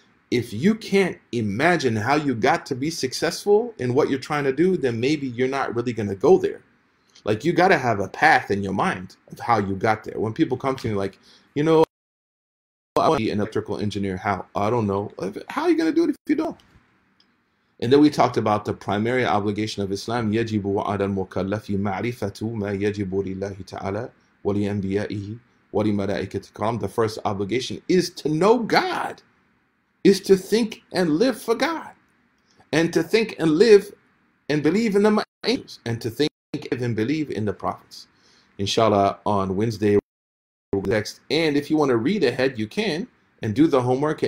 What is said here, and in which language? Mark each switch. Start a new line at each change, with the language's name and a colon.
English: If you can't imagine how you got to be successful in what you're trying to do, then maybe you're not really going to go there. Like you got to have a path in your mind of how you got there. When people come to me like, you know, I want to be an electrical engineer. How? I don't know. How are you going to do it if you don't? And then we talked about the primary obligation of Islam.
Arabic: يجب على المكلف معرفة ما يجب لله تعالى ولأنبيائه ولملائكته الكرام.
English: The first obligation is to know God, is to think and live for God, and to think and live and believe in the angels, and to think and believe in the prophets. Inshallah, on Wednesday, next. And if you want to read ahead, you can, and do the homework.